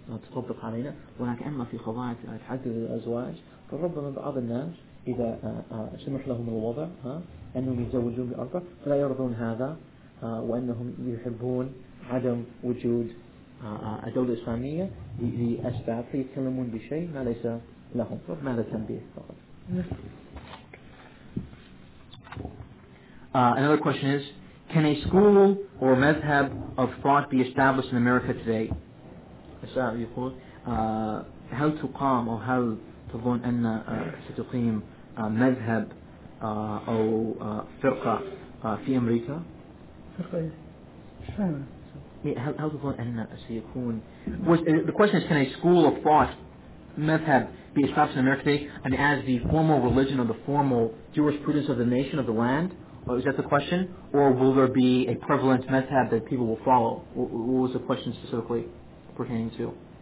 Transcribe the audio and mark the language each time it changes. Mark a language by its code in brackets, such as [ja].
[ar] تطبق علينا ولكن أما في قضايا تحدد الأزواج فربما بعض الناس إذا سمح لهم الوضع أنهم يتزوجون بأربع فلا يرضون هذا وأنهم يحبون عدم وجود الدولة الإسلامية لأسباب فيتكلمون بشيء ما ليس لهم ماذا تنبيه فقط. [en] Another question is, can a school or madhab of thought be established in America today? [ar] السؤال يقول هل تقام أو هل تظن أن ستقيم مذهب أو فرقة في أمريكا؟ فرقة إيه؟ هل تظن أن سيكون [en] The question is, can a school of thought madhab be established in America today, and as the formal religion or the formal jurisprudence of the nation of the land? Or is that the question? Or will there be a prevalent madhab that people will follow? What was the question specifically pertaining to?